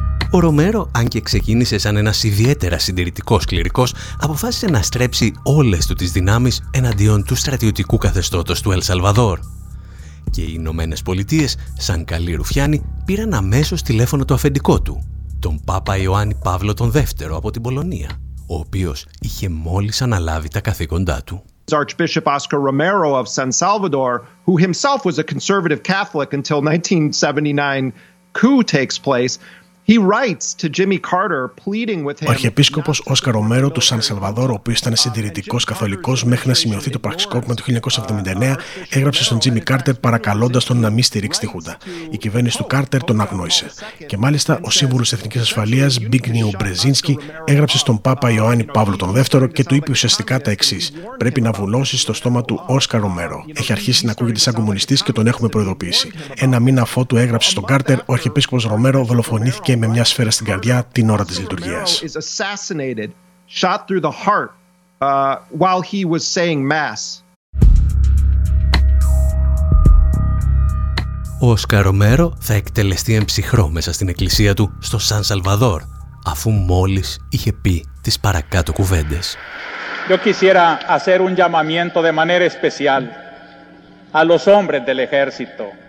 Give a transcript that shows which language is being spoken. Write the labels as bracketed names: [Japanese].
[Greek] Ο Ρομέρο, αν και ξεκίνησε σαν ένας ιδιαίτερα συντηρητικός κληρικός, αποφάσισε να στρέψει όλες του τις δυνάμεις εναντίον του στρατιωτικού καθεστώτος του El Salvador. Και οι Ηνωμένες Πολιτείες, σαν καλοί ρουφιάνοι, πήραν αμέσως τηλέφωνο το αφεντικό του, τον Πάπα Ιωάννη Παύλο τον Δεύτερο από την Πολωνία, ο οποίος είχε μόλις αναλάβει τα καθήκοντά του. [English] Archbishop Oscar Romero of San Salvador, who himself was a conservative Catholic until 1979 coup takes place. [Greek] Ο αρχιεπίσκοπος Όσκα Ρομέρο του Σαν Σαλβαδόρ, ο οποίος ήταν συντηρητικός καθολικός μέχρι να σημειωθεί το πραξικόπημα του 1979, έγραψε στον Τζίμι Κάρτερ παρακαλώντας τον να μην στηρίξει τη Χούντα. Η κυβέρνηση του Κάρτερ τον αγνόησε. Και μάλιστα ο σύμβουλος Εθνικής Ασφαλείας, Μπίγνιου Μπρεζίνσκι, έγραψε στον Πάπα Ιωάννη Παύλο τον Δεύτερο και του είπε ουσιαστικά τα εξής: πρέπει να βουλώσεις στο στόμα του Όσκα Ρομέρο. Έχει αρχίσει να ακούγεται σαν κομμουνιστής και τον έχουμε προειδοποιήσει. Ένα μήνα αφότου έγραψε στον Κάρτερ, ο αρχιεπίσκοπος Ρομέρο δολοφονήθηκε με μια σφαίρα στην καρδιά την ώρα της λειτουργίας. [English] Is assassinated, shot through the heart, while he was saying mass. [Greek] Ο Όσκα Ρομέρο θα εκτελεστεί εν ψυχρό μέσα στην εκκλησία του στο Σαν Σαλβαδόρ, αφού μόλις είχε πει τις παρακάτω κουβέντες. [Spanish] Yo quisiera hacer un llamamiento de manera especial a los hombres del ejército.